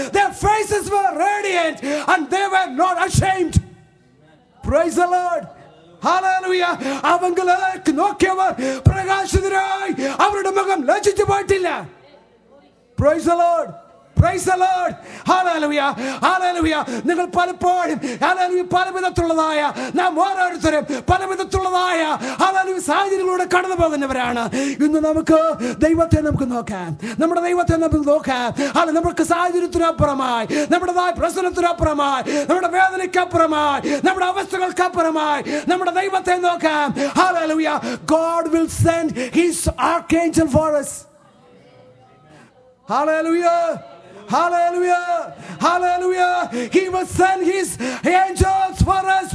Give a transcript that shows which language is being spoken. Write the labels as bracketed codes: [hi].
[en] Their faces were radiant and they were not ashamed. Praise the Lord. Hallelujah. [ml] അവങ്കലേക്ക് നോക്കിയവർ പ്രകാശിതരായി, അവരുടെ മുഖം ലജ്ജിച്ചു പോയിട്ടില്ല. Praise the Lord. Praise the Lord. Hallelujah. Hallelujah. നിങ്ങൾ പലപ്പോഴും, hallelujah, പലവിധത്തിലുള്ളതായ നാം ഓരോരുത്തരും പലവിധത്തിലുള്ളതായ ഹല്ലേലൂയ സാഹചര്യങ്ങളിലൂടെ കടന്നു പോകുന്നവരാണ്. ഇന്ന് നമുക്ക് ദൈവത്തെ നമുക്ക് നോക്കാം, നമ്മുടെ ദൈവത്തെ നമുക്ക് നോക്കാം. അല്ല, നമുക്ക് സാഹചര്യത്തിനപ്പുറമായി, നമ്മുടേതായ പ്രശ്നത്തിനപ്പുറമായി, നമ്മുടെ വേദനയ്ക്കപ്പുറമായി, നമ്മുടെ അവസ്ഥകൾക്കപ്പുറമായി നമ്മുടെ ദൈവത്തെ നോക്കാം. [en] Hallelujah. God will send his archangel for us. Hallelujah. Hallelujah. Hallelujah. He will send his angels for us.